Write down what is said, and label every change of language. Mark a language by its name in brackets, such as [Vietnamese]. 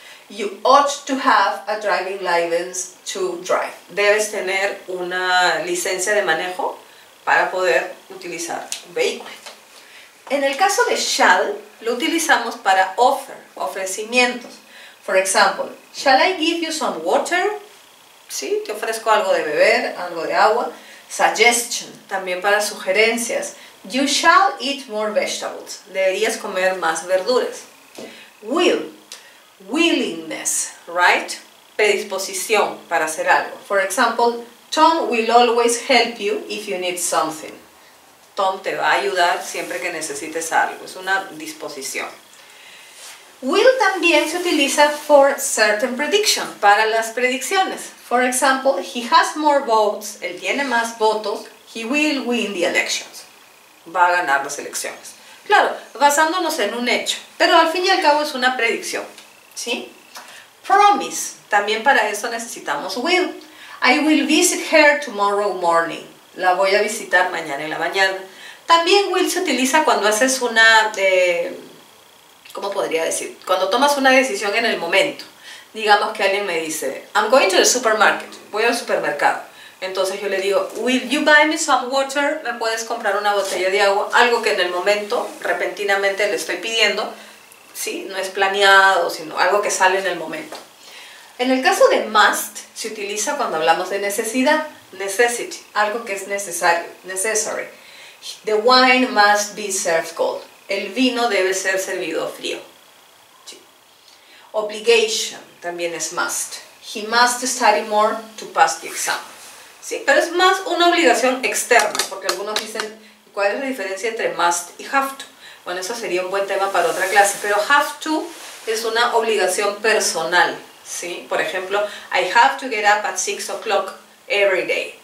[English] You ought to have a driving license to drive. [Spanish] Debes tener una licencia de manejo para poder utilizar un vehículo. En el caso de shall, lo utilizamos para offer, ofrecimientos. [English] For example, shall I give you some water? [Spanish] Sí, te ofrezco algo de beber, algo de agua. [English] Suggestion, [Spanish] también para sugerencias. [English] You shall eat more vegetables. [Spanish] Deberías comer más verduras. [English] Will, willingness, right? [Spanish] Predisposición para hacer algo. [English] For example, Tom will always help you if you need something. [Spanish] Tom te va a ayudar siempre que necesites algo. Es una disposición. Will también se utiliza [English] for certain prediction, [Spanish] para las predicciones. [English] For example, he has more votes, [Spanish] él tiene más votos, [English] he will win the elections. [Spanish] Va a ganar las elecciones. Claro, basándonos en un hecho, pero al fin y al cabo es una predicción, ¿sí? [English] Promise, [Spanish] también para eso necesitamos [English] will. I will visit her tomorrow morning. [Spanish] La voy a visitar mañana en la mañana. También will se utiliza cuando haces una... ¿cómo podría decir? Cuando tomas una decisión en el momento. Digamos que alguien me dice, [English] I'm going to the supermarket, [Spanish] voy al supermercado. Entonces yo le digo, [English] will you buy me some water? [Spanish] ¿Me puedes comprar una botella de agua? Algo que en el momento, repentinamente le estoy pidiendo, ¿sí? No es planeado, sino algo que sale en el momento. En el caso de must, se utiliza cuando hablamos de necesidad, necessity, algo que es necesario, necessary. [English] The wine must be served cold. [Spanish] El vino debe ser servido frío. Sí. Obligation también es must. [English] He must study more to pass the exam. [Spanish] Sí, pero es más una obligación externa, porque algunos dicen, ¿cuál es la diferencia entre must y have to? Bueno, eso sería un buen tema para otra clase, pero have to es una obligación personal, ¿sí? Por ejemplo, [English] I have to get up at 6 o'clock every day.